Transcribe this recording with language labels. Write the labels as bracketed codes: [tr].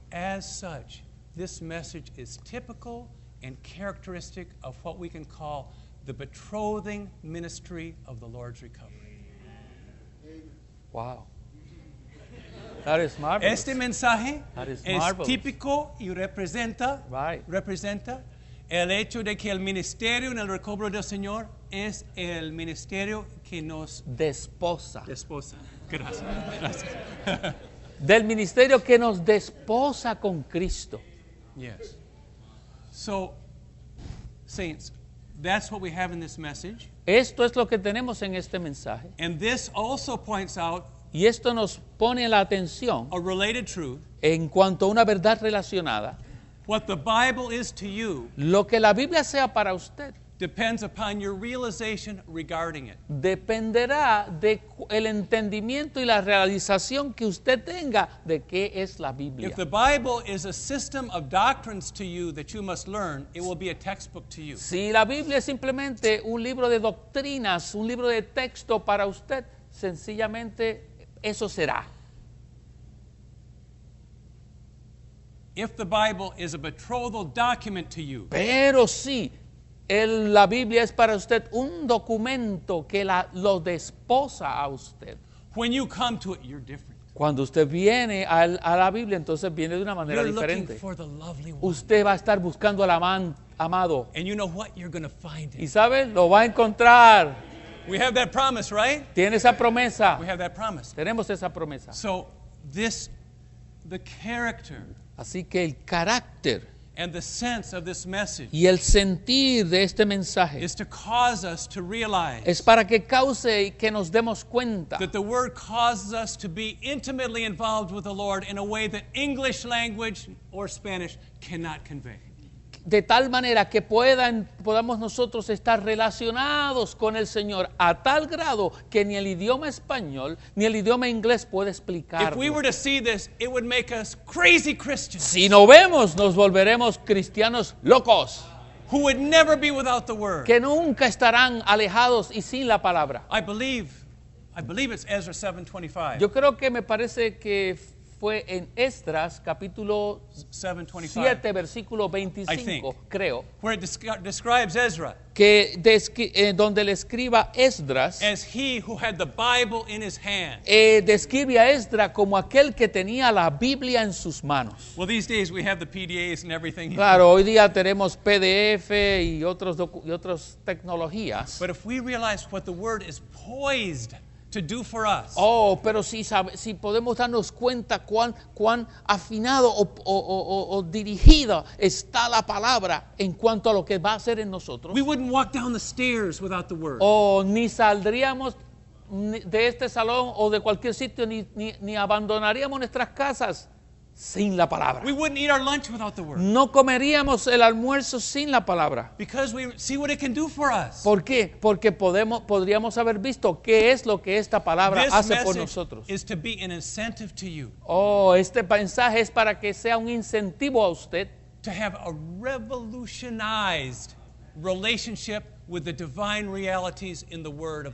[en] As such, this message is typical and characteristic of what we can call the betrothing ministry of the Lord's recovery. Wow. That is marvelous. [es] Este mensaje es típico y representa, right. Representa el hecho de que el ministerio en el recobro del Señor es el ministerio que nos desposa. Desposa. Gracias. Del ministerio que nos desposa con Cristo. [en] Yes. So, saints, that's what we have in this message. [es] Esto es lo que tenemos en este mensaje. [en] And this also points out. [es] Y esto nos pone la atención. [en] A related truth. [es] En cuanto a una verdad relacionada. [en] What the Bible is to you, [es] lo que la Biblia sea para usted, [en] depends upon your realization regarding it. [es] Dependerá de el entendimiento y la realización que usted tenga de qué es la Biblia. [en] If the Bible is a system of doctrines to you that you must learn, it will be a textbook to you. [es] Si la Biblia es simplemente un libro de doctrinas, un libro de texto para usted, sencillamente eso será. [en] If the Bible is a betrothal document to you. [es] Pero sí, la Biblia es para usted un documento que lo desposa a usted. [en] When you come to it, you're different. [es] Cuando usted viene a la Biblia, entonces viene de una manera [en] you're [es] diferente. [en] You're looking for the lovely one. [es] Usted va a estar buscando al amado. [en] And you know what? You're going to find it. [es] ¿Y sabe? Lo va a encontrar. [en] We have that promise, right? [es] Tiene esa promesa. [en] We have that promise. [es] Tenemos esa promesa. [en] So, this, the character. [es] Así que el carácter [en] and the sense of this message [es] y el sentir de este mensaje [en] is to cause us to realize [es] es para que cause y que nos demos cuenta [en] that the word causes us to be intimately involved with the Lord in a way that English language or Spanish cannot convey. [es] de tal manera que podamos nosotros estar relacionados con el Señor a tal grado que ni el idioma español ni el idioma inglés puede explicarlo. [en] If we were to see this, it would make us crazy Christians. [es] Si no vemos, nos volveremos cristianos locos. [en] Who would never be without the word. [es] Que nunca estarán alejados y sin la palabra. [en] I believe it's Ezra 7:25. [es] Yo creo que me parece que fue en Esdras capítulo 7 versículo 25, creo. [en] Where it describes Ezra. [es] Que donde le escriba Esdras. [en] As he who had the Bible in his hand. [es] Describe a Esdras como aquel que tenía la Biblia en sus manos. [en] Well, these days we have the PDAs and everything. [es] Claro, hoy día tenemos PDF y otras tecnologías. [en] But if we realize what the word is poised to do for us. [es] Oh, pero si podemos darnos cuenta cuán afinado o dirigida está la palabra en cuanto a lo que va a hacer en nosotros. [en] We wouldn't walk down the stairs without the word. [es] Oh, ni saldríamos de este salón o de cualquier sitio ni abandonaríamos nuestras casas sin la palabra. [en] We wouldn't eat our lunch without the word. [es] No comeríamos el almuerzo sin la palabra. [en] Because we see what it can do for us. [es] ¿Por qué? Porque podríamos haber visto qué es lo que esta palabra [en] this [es] hace por nosotros. [en] Is to be an incentive to you. [es] Oh, este mensaje es para que sea un incentivo a usted. [en] To have a revolutionized relationship with the divine realities in the word of